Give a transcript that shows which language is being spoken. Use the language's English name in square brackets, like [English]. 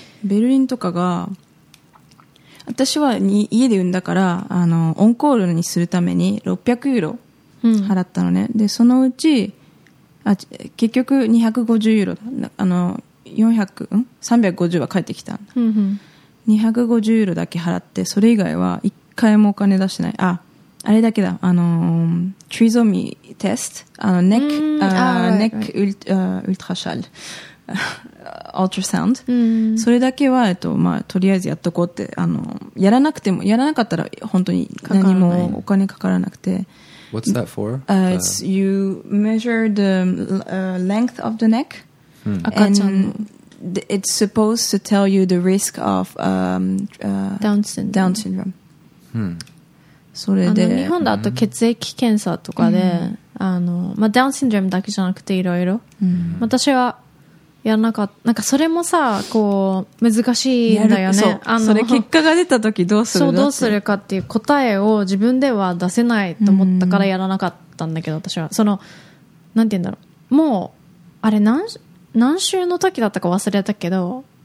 [Japanese] ベルリンとかが、私は家で産んだから、あのオンコールにするために600ユーロ払ったのね、でそのうち、あ、結局250ユーロだ、あの350は返ってきた、250ユーロだけ払って、それ以外は一回もお金出してない、あれだけだ、あのトリゾミーテスト、あのネックウルトラシャルアルトラサウンド、それだけは、まあ、とりあえずやっとこうって、あのやらなくても、やらなかったら本当に何もお金かからなくて。 [English] What's that for? It's you measure the length of the neck, and it's supposed to tell you the risk of Down syndrome. [Japanese] それで、あの日本だと血液検査とかで、あの、まあ、Down syndrome だけじゃなくていろいろ、私はやらなかった、なんかそれもさ、こう難しいんだよね、あの、それ結果が出た時どうするの、そう、どうするかっていう答えを自分では出せないと思ったからやらなかったんだけど、私はそのなんて言うんだろう、もうあれ 何週の時だったか忘れたけど、